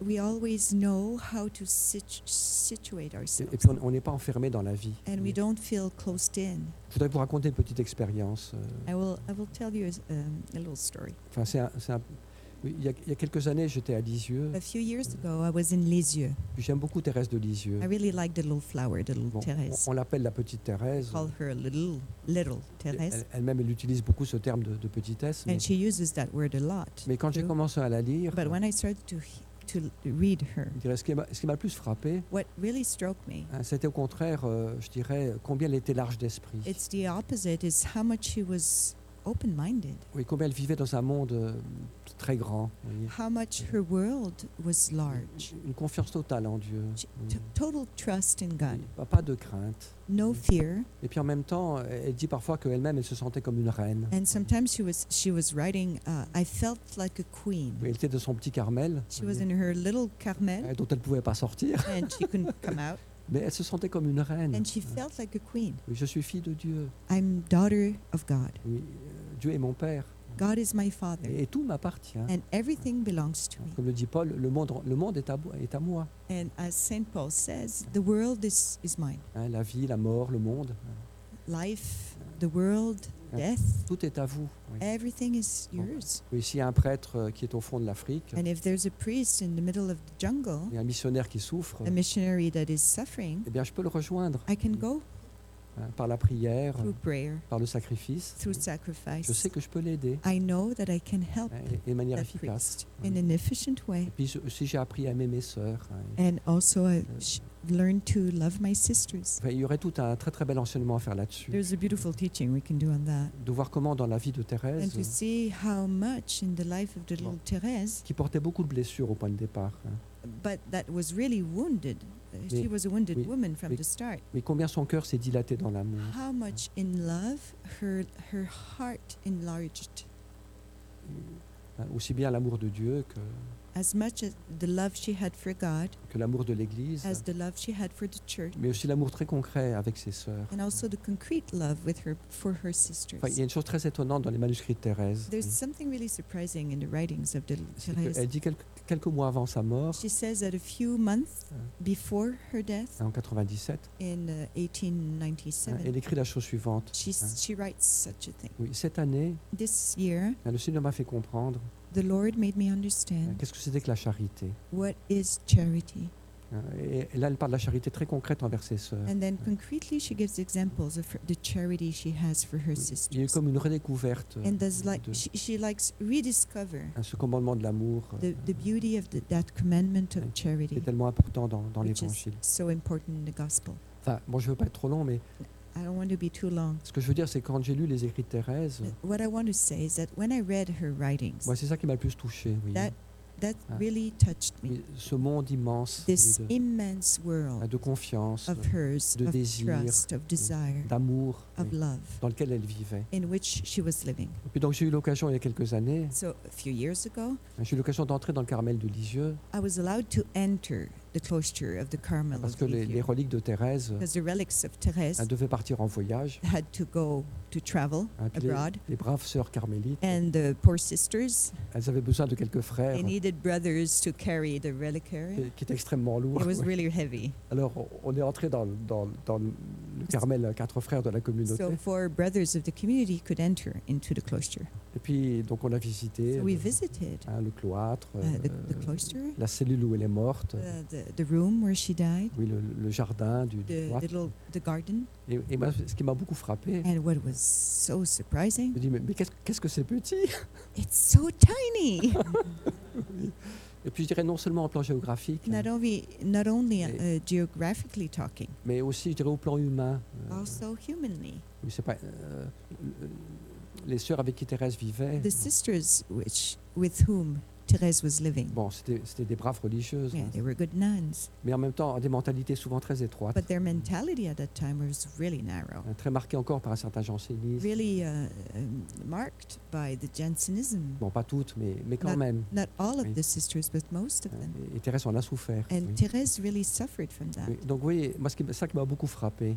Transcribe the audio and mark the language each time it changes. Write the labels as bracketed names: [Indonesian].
[English] We always know how to situate ourselves. [French] Et puis on n'est pas enfermé dans la vie. [English] And we don't feel closed in. [French] Je voudrais vous raconter une petite expérience. [English] I will tell you a little story. [French] Enfin, il y a quelques années, j'étais à Lisieux. [English] A few years ago, I was in Lisieux. [French] J'aime beaucoup Thérèse de Lisieux. [English] I really like the little flower, the little Thérèse. [French] On l'appelle la petite Thérèse. [English] Call her little Thérèse. [French] Elle utilise beaucoup ce terme de petitesse. [English] And she uses that word a lot. [French] Mais quand j'ai commencé à la lire, [English] but when I started to read her, [French] ce qui m'a le plus frappé, [English] what really struck me, [French] c'était au contraire, je dirais, combien elle était large d'esprit. [English] It's the opposite, is how much she was open-minded. [French] Oui, combien elle vivait dans un monde très grand. [English] How much her world was large. [French] Une confiance totale en Dieu. [English] Total trust in God. [French] Pas de crainte. [English] No fear. [French] Et puis en même temps, elle dit parfois qu'elle-même, elle se sentait comme une reine. [English] And sometimes she was writing, I felt like a queen. [French] Oui, elle était dans son petit Carmel. [English] She was in her little Carmel. [French] Dont elle ne pouvait pas sortir. [English] And she couldn't come out. [French] Mais elle se sentait comme une reine. [English] And she felt like a queen. [French] Oui, je suis fille de Dieu. [English] I'm daughter of God. [French] Oui, Dieu est mon père. [English] God is my father. [French] Et tout m'appartient. [English] And everything belongs to me. [French] Comme le dit Paul, le monde est à moi. [English] And as Saint Paul says, the world is mine. [French] La vie, la mort, le monde. [English] Life, the world, death. [French] Tout est à vous. Oui. [English] Everything is yours. [French] Oui, s'il y a un prêtre qui est au fond de l'Afrique. [English] And if there's a priest in the middle of the jungle. [French] Et un missionnaire qui souffre. [English] A missionary that is suffering. [French] Eh bien, je peux le rejoindre. [English] I can go. [French] Par la prière, [English] prayer, [French] par le sacrifice, [English] sacrifice, [French] je sais que je peux l'aider. [English] I know that I can help [French] de manière efficace. [English] In an efficient way. [French] Et puis aussi j'ai appris à aimer mes sœurs. [English] And also learned to love my sisters. [French] Enfin, il y aurait tout un très très bel enseignement à faire là-dessus. [English] There's a beautiful teaching we can do on that. [French] De voir comment dans la vie de Thérèse. [English] And to see how much in the life of the little Thérèse. [French] Qui portait beaucoup de blessures au point de départ. [English] But that was really wounded. She was a wounded woman from the start. [French] Mais combien son cœur s'est dilaté dans l'amour. [English] How much in love her heart enlarged. [French] Aussi bien l'amour de Dieu que. [English] As much as the love she had for God. [French] Que l'amour de l'Église. [English] As the love she had for the church. [French] Mais aussi l'amour très concret avec ses sœurs. [English] And also the concrete love with her for her sisters. [French] Enfin, il y a une chose très étonnante dans les manuscrits de Thérèse. [English] There's something really surprising in the writings of Thérèse. [French] Elle dit quelques mois avant sa mort. [English] She says that a few months before her death. [French] En 97. [English] In 1897. [French] Elle écrit la chose suivante. [English] She writes such a thing. [French] Oui, cette année. [English] This year. [French] Le Seigneur m'a fait comprendre. [English] The Lord made me understand. [French] Qu'est-ce que c'était que la charité? [English] What is charity? [French] Et là, elle parle de la charité très concrète envers ses sœurs. [English] And then concretely, she gives examples of the charity she has for her sisters. [French] Il y a comme une redécouverte. [English] And does like she likes rediscover. [French] Ce commandement de l'amour. [English] The beauty of that commandment of charity. [French] Est tellement important dans l'Évangile. [English] So important in the gospel. [French] Enfin, bon, je veux pas être trop long, mais. [English] I don't want to be too long. [French] Ce que je veux dire, c'est quand j'ai lu les écrits de Thérèse. [English] What I want to say is that when I read her writings. [French] Moi, c'est ça qui m'a le plus touché. Oui. [English] That really touched me. [French] Ce monde immense. [English] This immense world. [French] De confiance. [English] Of hers. [French] De [English] of [French] désir. [English] Trust, of desire. [French] D'amour. [English] Of love. [French] Dans lequel elle vivait. [English] In which she was living. [French] Et puis donc j'ai eu l'occasion il y a quelques années. [English] So a few years ago. [French] J'ai eu l'occasion d'entrer dans le Carmel de Lisieux. [English] I was allowed to enter. The cloister of the Carmel. [French] Parce que les reliques de Thérèse. [English] Because the relics of Thérèse. [French] Elle devait partir en voyage. [English] Had to go to travel abroad. [French] Les braves sœurs carmélites. [English] And the poor sisters. [French] Elles avaient besoin de quelques frères. [English] They needed brothers to carry the reliquary. [French] Qui était extrêmement lourd. [English] It was really heavy. [French] Alors on est entré dans le Carmel, quatre frères de la communauté. [English] So four brothers of the community could enter into the cloister. [French] Et puis donc on a visité. [English] So we visited. [French] Le cloître. [English] The cloister. [French] La cellule où elle est morte. [English] The room where she died. [French] Oui, le jardin du cloître. [English] The garden. [French] Et moi, ce qui m'a beaucoup frappé. [English] And what was so surprising. [French] Je me dis mais qu'est-ce que c'est petit. [English] It's so tiny. [French] Et puis je dirais non seulement au plan géographique. [English] Not only geographically talking. [French] Mais aussi je dirais au plan humain. [English] Also humanly. [French] Mais c'est pas les sœurs avec qui Thérèse vivait. [English] The sisters with whom Thérèse was living. [French] Bon, c'était des braves religieuses. [English] Yeah, they were good nuns. [French] Mais en même temps, des mentalités souvent très étroites. [English] But their mentality at that time was really narrow. [French] Très marquée encore par un certain jansénisme. [English] Really marked by the Jansenism. [French] Bon, pas toutes, mais quand [English] not, [French] même. [English] Not all of the sisters, but most of them. [French] Et Thérèse en a souffert. [English] And Thérèse really suffered from that. [French] Donc, vous voyez, moi, ça qui m'a beaucoup frappé.